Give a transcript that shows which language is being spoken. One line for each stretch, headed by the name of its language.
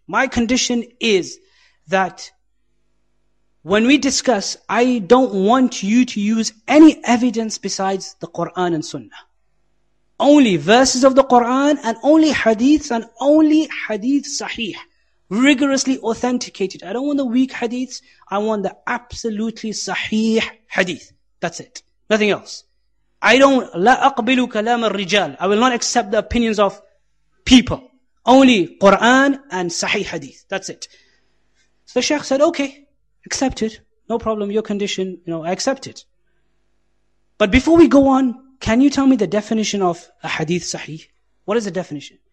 English: My condition is that when we discuss, I don't want you to use any evidence besides the Quran and Sunnah. Only verses of the Quran and only hadith sahih. Rigorously authenticated. I don't want the weak hadiths. I want the absolutely sahih hadith. That's it. Nothing else. I don't,
Arabic: لا أقبل كلام الرجال.
English: I will not accept the opinions of people. Only Quran and sahih hadith. That's it. So the Shaykh said, okay, accept it. No problem, your condition, you know, I accept it. But before we go on, can you tell me the definition of a hadith sahih? What is the definition?